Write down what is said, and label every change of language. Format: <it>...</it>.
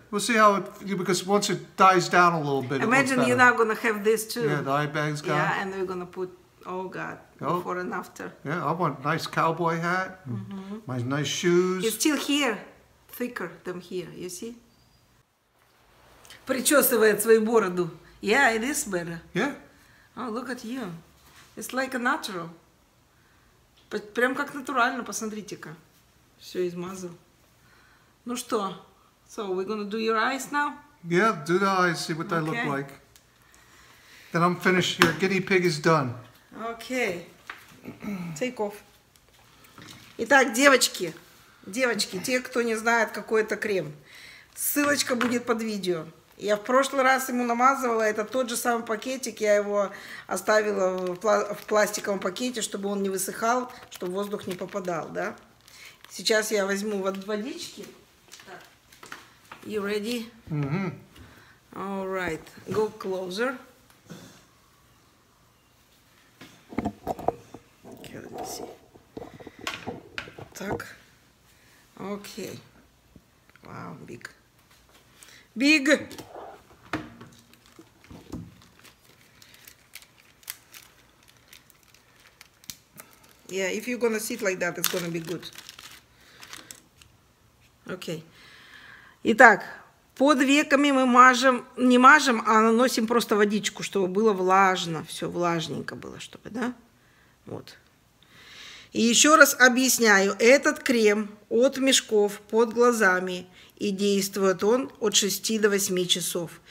<en>We'll see how it, because once it dies down a little bit, imagine you're not going to have this too. Yeah, the eye bags gone. Yeah, and we're going to put, oh God, before and after. Yeah, I want a nice cowboy hat, my nice shoes. You're still here, thicker than here, you see?</en> <ru>Причесывает свою бороду.</ru> <en>Yeah, it is better. Yeah. Oh, look at you. It's like a natural.</en> <ru>Прям как натурально, посмотрите-ка. Все измазал. Ну что?</ru> <en>So, we're gonna do your eyes now? Yeah, do the eyes, see what they look like. Then I'm finished. Your guinea pig is done. Okay. Take off.</en> <ru>Итак, девочки. Девочки, те, кто не знает, какой это крем. Ссылочка будет под видео. Я в прошлый раз ему намазывала, это тот же самый пакетик, я его оставила в пластиковом пакете, чтобы он не высыхал, чтобы воздух не попадал, да? Сейчас я возьму водички.</ru> <en>You ready? Mm-hmm. All right, go closer. Okay, let me see. Так. Okay. Wow, big. Big! Yeah, if you're gonna sit like that, it's gonna be good. Okay.</en> <ru>Итак, под веками мы мажем, не мажем, а наносим просто водичку, чтобы было влажно, все влажненько было, чтобы, да? Вот. И еще раз объясняю, этот крем от мешков под глазами, и действует он от 6 до 8 часов.</ru>